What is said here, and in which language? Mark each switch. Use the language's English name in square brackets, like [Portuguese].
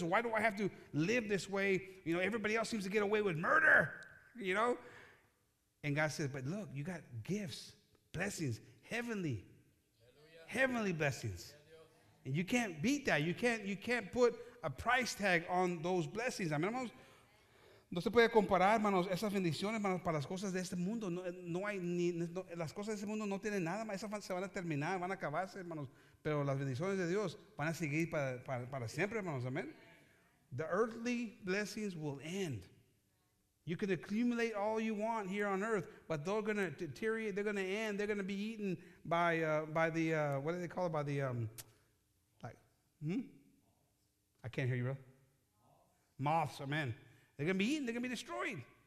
[English] Why do I have to live this way? You know, everybody else seems to get away with murder, you know? And God says, but look, you got gifts, blessings, heavenly, hallelujah. Heavenly blessings. Hallelujah. And you can't beat that. You can't put a price tag on those blessings. I mean, [Spanish] hermanos, no se puede comparar, hermanos, esas bendiciones, hermanos, para las cosas de este mundo. No hay ni las cosas de este mundo no tienen nada más. Esas se van a terminar, van a acabarse, hermanos. Pero las bendiciones de Dios van a seguir para siempre, hermanos. [English] Amén. The earthly blessings will end. You can accumulate all you want here on earth, but they're going to deteriorate. They're going to end. They're going to be eaten by the I can't hear you, bro. Moths, amen. They're going to be eaten. They're going to be destroyed.